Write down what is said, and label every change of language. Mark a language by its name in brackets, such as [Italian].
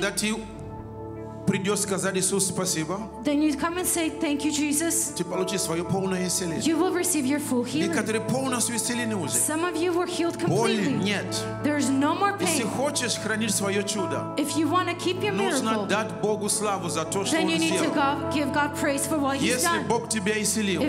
[Russian] Когда ты придешь сказать Иисус спасибо, [English] then you come and say, thank you, Jesus. [Russian] Ты получишь свое полное исцеление. [English] You will receive your full healing. [Russian] Некоторые полностью исцелены уже. [English] Some of you were healed completely. [Russian] Боли нет. [English] There is no more pain. [Russian] Если хочешь хранить свое чудо, [English] if you want to keep your miracle, [Russian] нужно дать Богу славу за то, что [English] then you [Russian] он [English] need [Russian] сделал. [English] To God, give God praise for what [Russian] если [English] he's done. [Russian] Бог тебя исцелил,